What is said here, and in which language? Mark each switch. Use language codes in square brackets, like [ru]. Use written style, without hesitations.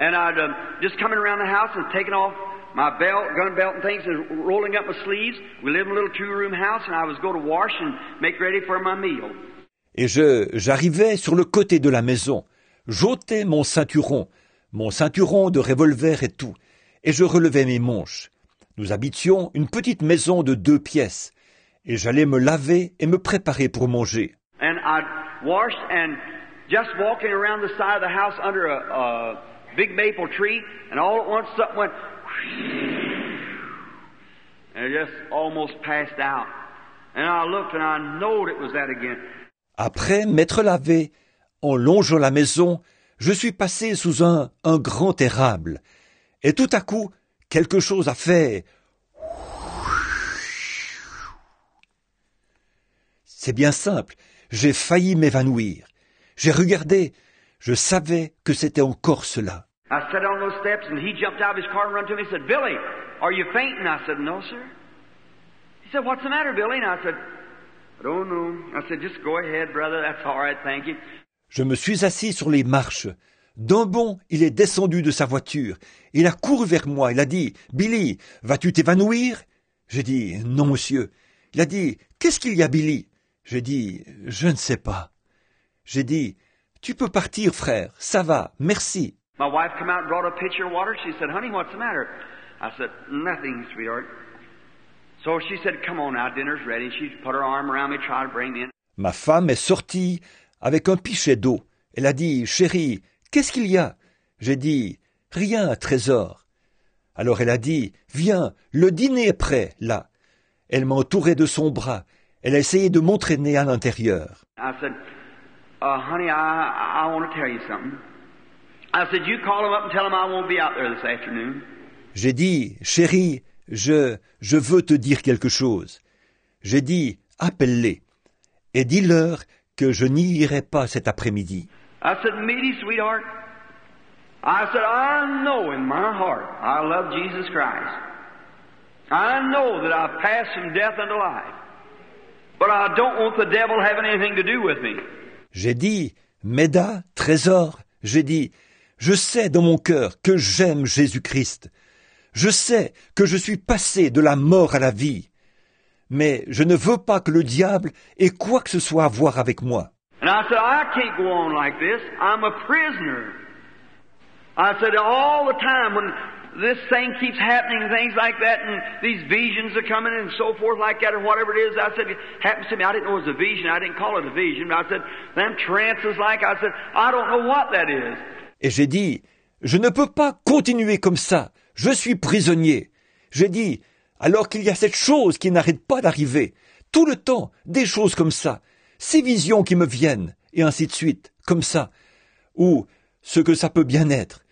[en] And I'd just coming around the house and taking off my belt, gun belt and things, and rolling up my sleeves. We live in a little two-room house, and I was going to wash and make ready for my meal. [fr] Et j'arrivais sur le côté de la maison, j'ôtais mon ceinturon de revolver et tout, et je relevais mes manches. Nous habitions une petite maison de deux pièces, et j'allais me laver et me préparer pour manger. [en] And I washed and just walking around the side of the house under a big maple tree, and all at once something went. And I just almost passed out. And I looked and I know it was that again. [fr] Après m'être lavé, en longeant la maison, je suis passé sous un grand érable. Et tout à coup, quelque chose a fait. C'est bien simple, j'ai failli m'évanouir. J'ai regardé, je savais que c'était encore cela. [en] I sat on those steps and he jumped out of his car and run to me and said, Billy, are you fainting? I said, no, sir. He said, what's the matter, Billy? And I said, I don't know. I said, just go ahead, brother. That's all right. Thank you. [fr] Je me suis assis sur les marches. D'un bond, il est descendu de sa voiture. Il a couru vers moi. Il a dit, Billy, vas-tu t'évanouir? J'ai dit, non, monsieur. Il a dit, qu'est-ce qu'il y a, Billy? J'ai dit, je ne sais pas. J'ai dit, tu peux partir, frère. Ça va. Merci. [en] My wife came out and brought a pitcher of water. She said, honey, what's the matter? I said, nothing, sweetheart. So she said, come on now, dinner's ready. She put her arm around me, tried to bring me in. [fr] Ma femme est sortie avec un pichet d'eau. Elle a dit, chérie, qu'est-ce qu'il y a? J'ai dit, rien, trésor. Alors elle a dit, viens, le dîner est prêt, là. Elle m'a entouré de son bras. Elle a essayé de m'entraîner à l'intérieur. [en] I said, honey, I want to tell you something. I said, you call him up and tell him I won't be out there this afternoon. [fr] J'ai dit, chérie, je veux te dire quelque chose. J'ai dit, appelle-les et dis-leur que je n'y irai pas cet après-midi. [en] I said, meaty sweetheart. I said, I know in my heart I love Jesus Christ. I know that I've passed from death unto life. But I don't want the devil having anything to do with me. [fr] J'ai dit, Meda, trésor, j'ai dit, je sais dans mon cœur que j'aime Jésus-Christ. Je sais que je suis passé de la mort à la vie. Mais je ne veux pas que le diable ait quoi que ce soit à voir avec moi. [en] And I said, I can't go on like this. I'm a prisoner. I said, all the time when this thing keeps happening, things like that, and these visions are coming and so forth like that, or whatever it is. I said, it happens to me. I didn't know it was a vision. I didn't call it a vision. I said, them trances like, I said, I don't know what that is. [fr] Et j'ai dit, je ne peux pas continuer comme ça. Je suis prisonnier. J'ai dit, alors qu'il y a cette chose qui n'arrête pas d'arriver, tout le temps, des choses comme ça, ces visions qui me viennent, et ainsi de suite, comme ça, ou ce que ça peut bien être.